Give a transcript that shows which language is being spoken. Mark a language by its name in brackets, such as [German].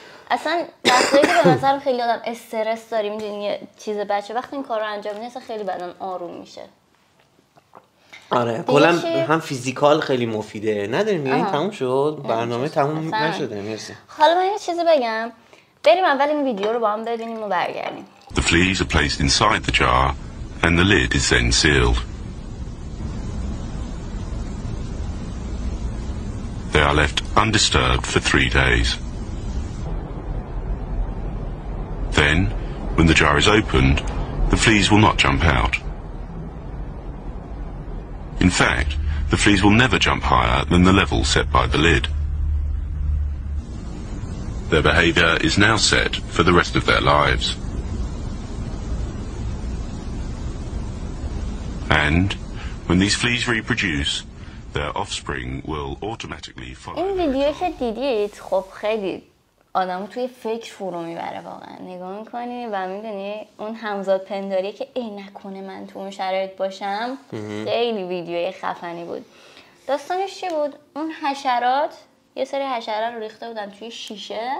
[Persian] اصلا وقتی که به نظرم خیلی آدم استرس داری، میدونی یه چیز بچه، وقتی این کار رو انجام میدی اصلا خیلی بدن آروم میشه. آره کلم هم فیزیکال خیلی مفیده. نداریم یعنی تموم شد برنامه، تموم نشده. مرسی. حالا من یه چیزی بگم، بریم اول این ویدیو رو با هم ببینیم و برگردیم. [English] The fleas are placed inside the jar and the lid is then sealed. They are left undisturbed for 3 days. Then, when the jar is opened, the fleas will not jump out. In fact, the fleas will never jump higher than the level set by the lid. Their behavior is now set for the rest of their lives. And when these fleas reproduce, their offspring will automatically follow. [Persian] این ویدیو که دیدید خب خیلی آدم توی فکر فرو میبره واقعا. نگاه میکنی و میدونی اون همزاد پنداری که ای نکنه من تو اون شرایط باشم. خیلی ویدیوی خفنی بود. داستانش چی بود؟ اون حشرات، یه سری حشره رو ریخته بودن توی شیشه.